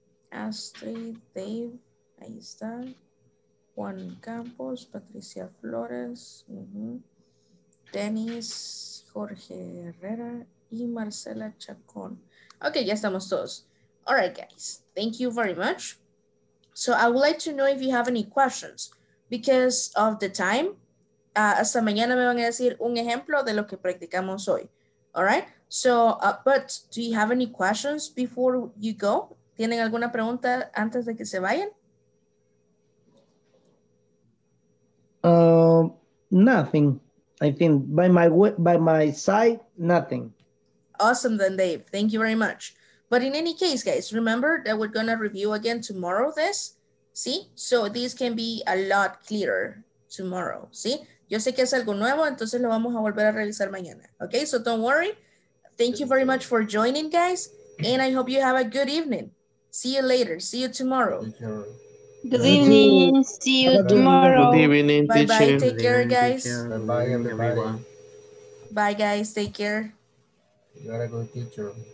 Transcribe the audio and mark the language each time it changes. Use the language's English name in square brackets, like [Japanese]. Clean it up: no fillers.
[Spanish] Astrid, Dave, ahí está. Juan Campos, Patricia Flores, Dennis, Jorge Herrera y Marcela Chacón. [English] Okay, [Spanish] ya estamos todos. [English] All right, guys, thank you very much. So I would like to know if you have any questions because of the time. [Spanish] Hasta mañana me van a decir un ejemplo de lo que practicamos hoy. [English] All right, so, but do you have any questions before you go? [Spanish] ¿Tienen alguna pregunta antes de que se vayan? [English] Nothing. I think by my side, nothing. Awesome then, Dave. Thank you very much. But in any case, guys, remember that we're going to review again tomorrow this. See? So this can be a lot clearer tomorrow. See? [Spanish] Yo sé que es algo nuevo, entonces lo vamos a volver a realizar mañana. [English] Okay? So don't worry. Thank you very much for joining, guys. And I hope you have a good evening. See you later. See you tomorrow. Good evening. See you tomorrow. Good evening, teacher. Bye-bye. Take care, guys. Bye-bye, everyone. Bye, guys. Take care. You are a good teacher.